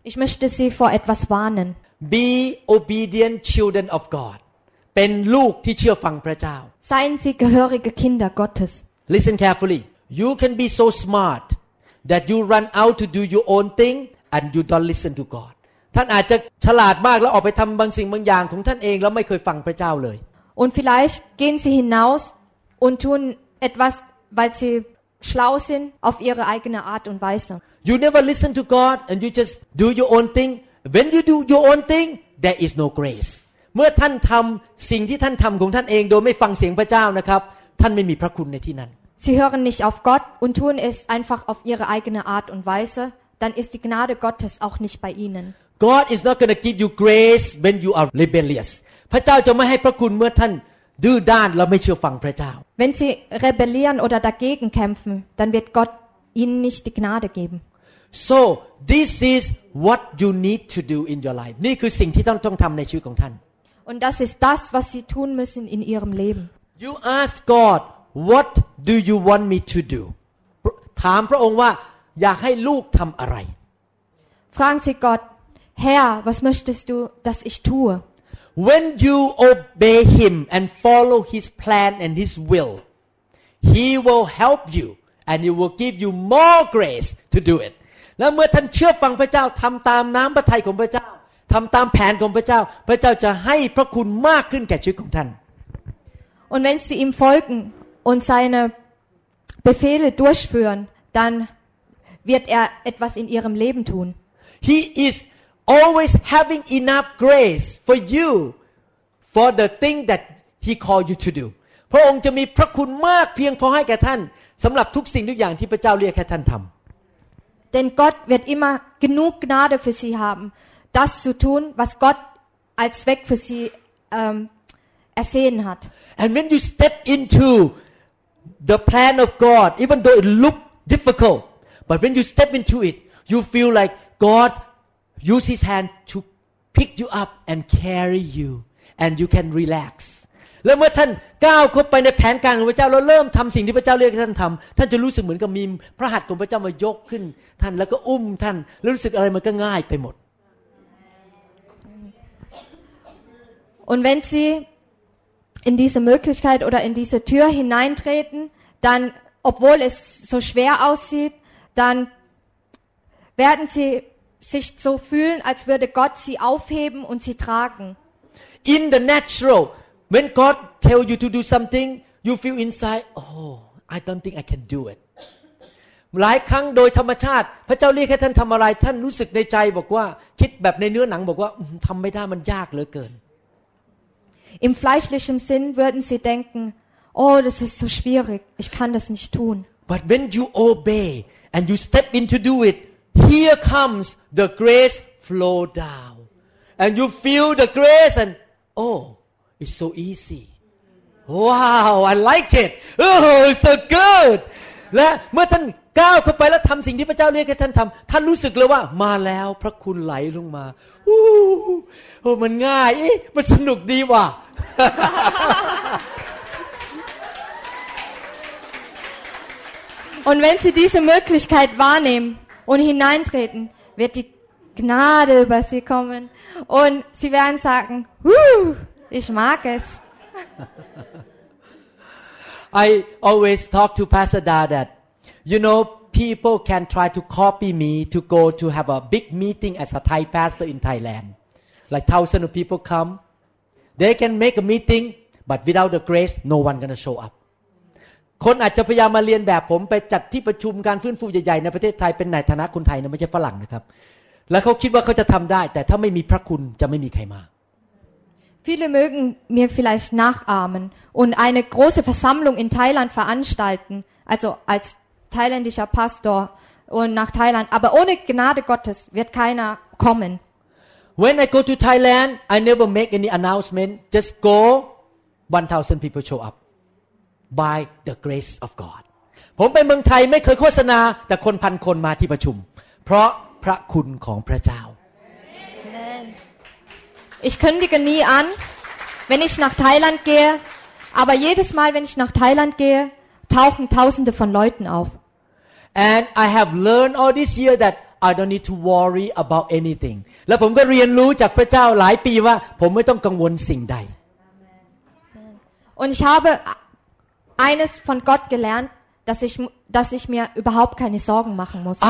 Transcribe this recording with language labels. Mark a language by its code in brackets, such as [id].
[de] Ich möchte Sie vor etwas warnen. [en] Be obedient children of God. [th] เป็นลูกที่เชื่อฟังพระเจ้า [de] Seien Sie gehörige Kinder Gottes. [en] Listen carefully. You can be so smart that you run out to do your own thing and you don't listen to God. [th] ท่านอาจจะฉลาดมากแล้วออกไปทำบางสิ่งบางอย่างของท่านเองแล้วไม่เคยฟังพระเจ้าเลย [de] Und vielleicht gehen Sie hinaus und tun etwas, weil Sieschlau sind auf ihre eigene Art und Weise. [en] You never listen to God and you just do your own thing. When you do your own thing, there is no grace. [th] เมื่อท่านทำสิ่งที่ท่านทำของท่านเองโดยไม่ฟังเสียงพระเจ้านะครับท่านไม่มีพระคุณในที่นั้น [de] Sie hören nicht auf Gott und tun es einfach auf ihre eigene Art und Weise, dann ist die Gnade Gottes auch nicht bei ihnen. [en] God is not going to give you grace when you are rebellious. [th] พระเจ้าจะไม่ให้พระคุณเมื่อท่านดื้อด้านเราไม่เชื่อฟังพระเจ้า [de] Wenn Sie rebellieren oder dagegen kämpfen, dann wird Gott Ihnen nicht die Gnade geben. [en] So this is what you need to do in your life. [th] นี่คือสิ่งที่ต้องทำในชีวิตของท่าน [de] Und das ist das, was Sie tun müssen in Ihrem Leben. [en] You ask God, what do you want me to do? [th] ถามพระองค์ว่าอยากให้ลูกทำอะไร [de] Fragen Sie Gott, Herr, was möchtest du, dass ich tue? [en] When you obey him and follow his plan and his will, he will help you and he will give you more grace to do it. [th] แล้วเมื่อท่านเชื่อฟังพระเจ้าทําตามน้ําพระทัยของพระเจ้าทําตามแผนของพระเจ้าพระเจ้าจะให้พระคุณมากขึ้นแก่ชีวิตของท่าน [de] Und wenn Sie ihm folgen und seine Befehle durchführen, dann wird etwas in Ihrem Leben tun. [en] He isalways having enough grace for you for the thing that he called you to do [th] พระองค์จะมีพระคุณมากเพียงพอให้แก่ท่านสําหรับทุกสิ่งทุกอย่างที่พระเจ้าเรียกให้ท่านทํา [de] Denn Gott wird immer genug Gnade für sie haben das zu tun was Gott als Zweck für sie ersehen hat [en] And when you step into the plan of God even though it look difficult but when you step into it you feel like GodUse his hand to pick you up and carry you, and you can relax. [th] แล้วเมื่อท่านก้าวเข้าไปในแผนการของพระเจ้าแล้วเริ่มทำสิ่งที่พระเจ้าเรียกท่านทำท่านจะรู้สึกเหมือนกับมีพระหัตถ์ของพระเจ้ามายกขึ้นท่านแล้วก็อุ้มท่านแล้วรู้สึกอะไรมันก็ง่ายไปหมด [de] Und wenn Sie in diese Möglichkeit oder in diese Tür hineintreten, dann, obwohl es so schwer aussieht, dann werden Sie sich so fühlen, als würde Gott sie aufheben und sie tragen. [en] In the natural, when God tell you to do something, you feel inside, oh, I don't think I can do it. [th] หลายครั้งโดยธรรมชาติพระเจ้าเรียกให้ท่านทำอะไรท่านรู้สึกในใจบอกว่าคิดแบบในเนื้อหนังบอกว่าทำไม่ได้มันยากเหลือเกิน [de] Im fleischlichen Sinn würden Sie denken, oh, das ist so schwierig, ich kann das nicht tun. [en] But when you obey and you step in to do it,Here comes the grace flow down, and you feel the grace, and oh, it's so easy. Wow, I like it. Oh, so good. [th] และเมื่อท่านก้าวเข้าไปแล้วทำสิ่งที่พระเจ้าเรียกให้ท่านทำท่านรู้สึกเลยว่ามาแล้วพระคุณไหลลงมาอู้โอ้มันง่ายอีมันสนุกดีว่ะ [de] Und wenn Sie diese Möglichkeit wahrnehmen und hineintreten, wird die Gnade über Sie kommen und Sie werden sagen, ich mag es. [en] I always talk to Pastor Da that, you know, people can try to copy me to go to have a big meeting as a Thai pastor in Thailand. Like thousands of people come. They can make a meeting, but without the grace, no one gonna show up. [th] คนอาจจะพยายามมาเรียนแบบผมไปจัดที่ประชุมการฟื้นฟูใหญ่ๆในประเทศไทยเป็นนายฐานะคนไทยนะไม่ใช่ฝรั่งนะครับแล้วเขาคิดว่าเขาจะทำได้แต่ถ้าไม่มีพระคุณจะไม่มีใครมา [de] Viele mögen mir vielleicht nachahmen und eine große Versammlung in Thailand veranstalten also als thailändischer Pastor und nach Thailand aber ohne Gnade Gottes wird keiner kommen [en] When I go to Thailand I never make any announcement just go 1000 people show upby the grace of God [th] ผมไปเมืองไทยไม่เคยโฆษณาแต่คนพันคนมาที่ประชุมเพราะพระคุณของพระเจ้า [de] Amen Ich kündige nie an wenn ich nach Thailand gehe aber jedes Mal wenn ich nach Thailand gehe tauchen tausende von Leuten auf [en] And I have learned all this year that I don't need to worry about anything [th] และผมก็เรียนรู้จากพระเจ้าหลายปีว่าผมไม่ต้องกังวลสิ่งใด [de] Amen Und ich habeeines von Gott gelernt, dass ich mir überhaupt keine Sorgen machen muss.